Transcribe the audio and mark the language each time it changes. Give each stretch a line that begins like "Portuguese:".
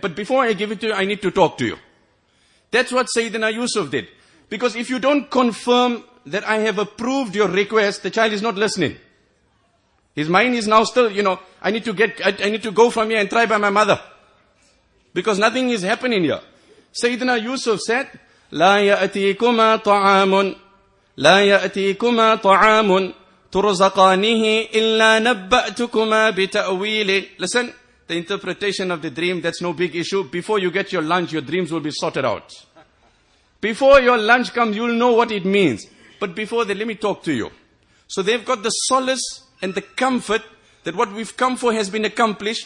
English: But before I give it to you, I need to talk to you. That's what Sayyidina Yusuf did. Because if you don't confirm that I have approved your request, the child is not listening. His mind is now still, you know, I need to go from here and try by my mother. Because nothing is happening here. Sayyidina Yusuf said,
Arabic: لَا يَأْتِيكُمَا طَعَامٌ لا يأتيكما طعام ترزقانه إلا نبأتكما بتأويله.
English: Listen, the interpretation of the dream, that's no big issue. Before you get your lunch, your dreams will be sorted out. Before your lunch comes, you'll know what it means. But before that, let me talk to you. So they've got the solace and the comfort that what we've come for has been accomplished.